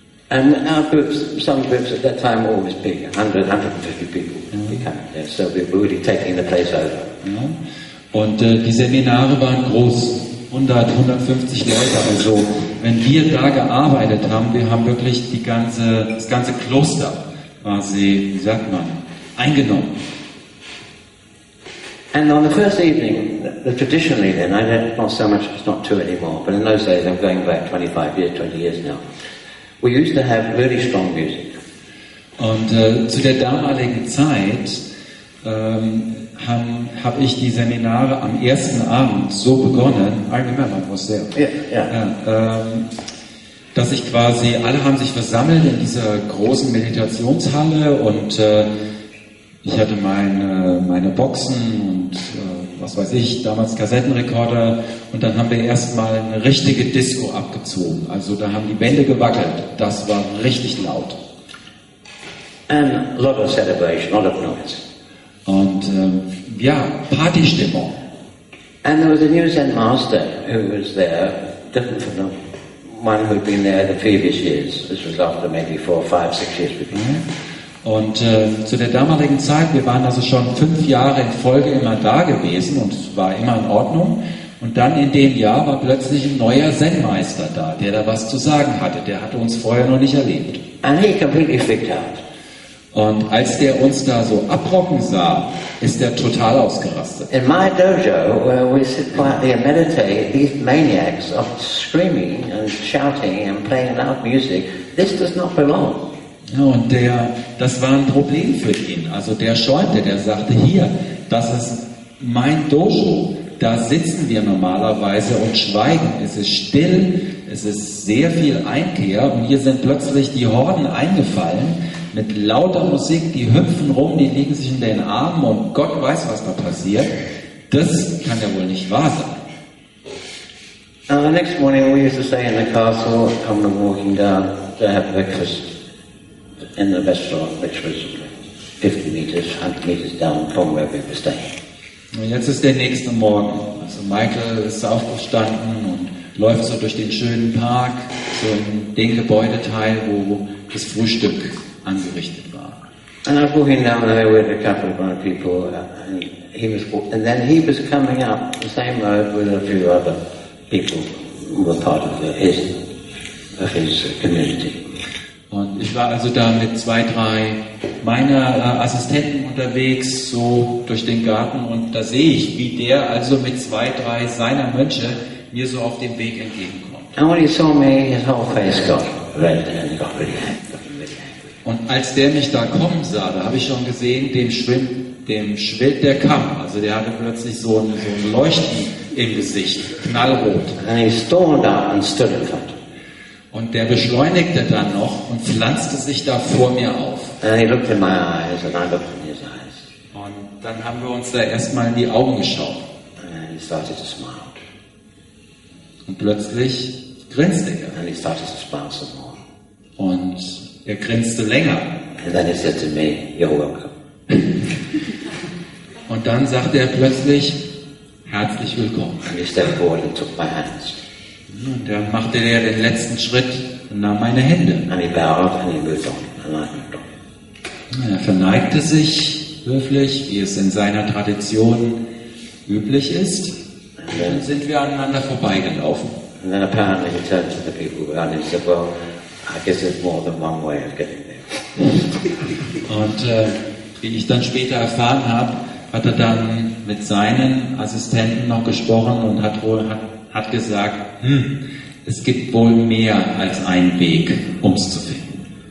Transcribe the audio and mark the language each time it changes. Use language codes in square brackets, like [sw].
[en] And our groups, some groups at that time were always big, 100, 150 people. Yeah. So we were really taking the place over. [de] Ja. Und die Seminare waren groß, 100, 150 Leute. Also wenn wir da gearbeitet haben, wir haben wirklich das ganze Kloster quasi, wie sagt man, eingenommen. [en] And on the first evening, traditionally then, I don't know so much, it's not two anymore, but in those days, I'm going back 25 years, 20 years now, we used to have really strong music. [de] Und zu der damaligen Zeit hab ich die Seminare am ersten Abend so begonnen, [en] I remember, it was there. Yeah, yeah. Ja, [de] dass ich quasi, alle haben sich versammelt in dieser großen Meditationshalle und ich hatte meine Boxen und was weiß ich, damals Kassettenrekorder, und dann haben wir erstmal eine richtige Disco abgezogen. Also da haben die Wände gewackelt. Das war richtig laut. [en] And a lot of celebration, a lot of noise. [de] Und ja, Partystimmung. [en] And there was a new Zen master who was there, different from the one who had been there the previous years. This was after maybe 4, 5, 6 years before. Mm-hmm. [de] Und zu der damaligen Zeit, wir waren also schon 5 Jahre in Folge immer da gewesen und es war immer in Ordnung. Und dann in dem Jahr war plötzlich ein neuer Zen-Meister da, der da was zu sagen hatte. Der hatte uns vorher noch nicht erlebt. [en] And he completely freaked out. [de] Und als der uns da so abrocken sah, ist der total ausgerastet. [en] In my dojo, where we sit quietly and meditate, these maniacs are screaming and shouting and playing loud music. This does not belong. [de] Ja, und das war ein Problem für ihn. Also der schäumte, der sagte, hier, das ist mein Dojo. Da sitzen wir normalerweise und schweigen. Es ist still, es ist sehr viel Einkehr. Und hier sind plötzlich die Horden eingefallen mit lauter Musik. Die hüpfen rum, die legen sich in den Armen und Gott weiß, was da passiert. Das kann ja wohl nicht wahr sein. [en] Now the next morning we used to stay in the castle, come to walking down to have breakfast. In the restaurant, which was 50 meters, 100 meters down from where we were staying. [de] Und jetzt ist der nächste Morgen. Also Michael ist aufgestanden und läuft so durch den schönen Park, so in den Gebäudeteil, wo das Frühstück angerichtet war. [en] And I was walking down there with a couple of other people, and he was coming up the same road with a few other people who were part of his community. [de] Und ich war also da mit 2, 3 meiner Assistenten unterwegs, so durch den Garten, und da sehe ich, wie der also mit 2, 3 seiner Mönche mir so auf dem Weg entgegenkommt. [en] And when he saw me, his whole face got red and got really angry. [de] Und als der mich da kommen sah, da habe ich schon gesehen, dem schwillt der Kamm. Also der hatte plötzlich so ein Leuchten im Gesicht, knallrot. [en] And he stormed up and stood in front. [de] Und der beschleunigte dann noch und pflanzte sich da vor mir auf. [en] And he looked in my eyes and I looked in his eyes. [de] Und dann haben wir uns da erstmal in die Augen geschaut. [en] And he started to smile. [de] Und plötzlich grinste er. [en] And he started to smile some more. [de] Und er grinste länger. [en] And then he said to me, "You're welcome." [de] Und dann sagte er plötzlich, herzlich willkommen. [en] And he stepped forward and took my hands. [de] Und dann machte er den letzten Schritt und nahm meine Hände. [en] And he bowed and he moved on. And I moved on. [de] Und er verneigte sich höflich, wie es in seiner Tradition üblich ist. Und dann sind wir aneinander vorbeigelaufen. [en] And then apparently he turned to the people around and he said, "Well, I guess there's more than one way of getting there." [de] Und wie ich dann später erfahren habe, hat er dann mit seinen Assistenten noch gesprochen und hat gesagt, es gibt wohl mehr als einen Weg, um es zu finden.